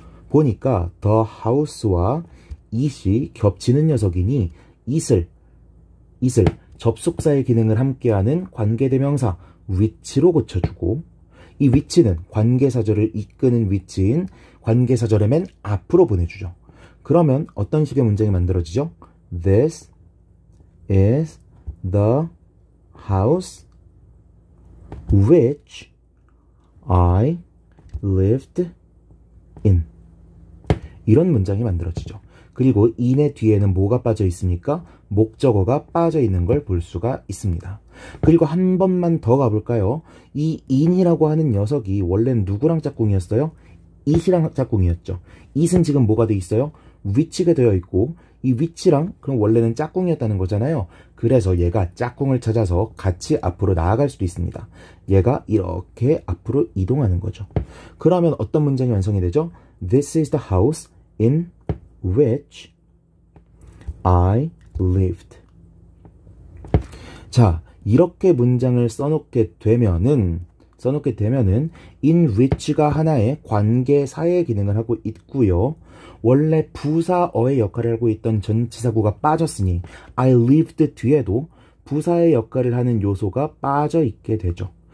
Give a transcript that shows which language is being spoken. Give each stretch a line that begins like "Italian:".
Korean: 보니까
English: the house
Korean: 와 it이 겹치는 녀석이니 it을 접속사의 기능을 함께하는 관계대명사 which로 고쳐주고 이 which는 관계사절을 이끄는 위치인 관계사절의 맨 앞으로 보내주죠. 그러면 어떤 식의 문장이 만들어지죠?
English: This is the house which I lived in.
Korean: 이런 문장이 만들어지죠. 그리고 in의 뒤에는 뭐가 빠져 있습니까? 목적어가 빠져 있는 걸 볼 수가 있습니다. 그리고 한 번만 더 가볼까요? 이 in이라고 하는 녀석이 원래는 누구랑 짝꿍이었어요? it이랑 짝꿍이었죠. it은 지금 뭐가 돼 있어요? which가 되어 있고 이 which랑 그럼 원래는 짝꿍이었다는 거잖아요. 그래서 얘가 짝꿍을 찾아서 같이 앞으로 나아갈 수도 있습니다. 얘가 이렇게 앞으로 이동하는 거죠. 그러면 어떤 문장이 완성이 되죠?
English: This is the house in which I lived.
Korean: 자, 이렇게 문장을 써놓게 되면은 in which가 하나의 관계사의 기능을 하고 있고요. 원래 부사어의 역할을 하고 있던 전치사구가 빠졌으니
English: I lived
Korean: 뒤에도 부사의 역할을 하는 요소가 빠져 있게 되죠.